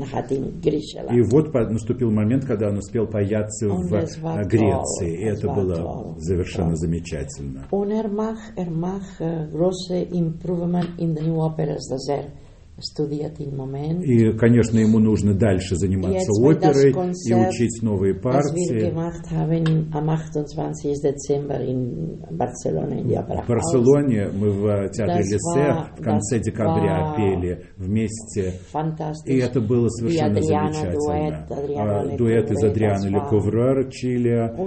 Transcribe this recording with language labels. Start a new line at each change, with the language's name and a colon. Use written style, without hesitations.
Russian: И вот наступил момент, когда он успел паяцци в Греции. И это было совершенно замечательно.
German: Und er macht große
English: improvement in the new operas,
German: das er studiert im Moment.
Russian: И, конечно, ему нужно дальше заниматься
German: jetzt
Russian: оперой и учить новые партии. В Барселоне мы в театре Лице в конце декабря пели вместе. И это было совершенно замечательно. Дуэт из Адриана Ле Куврер Чили.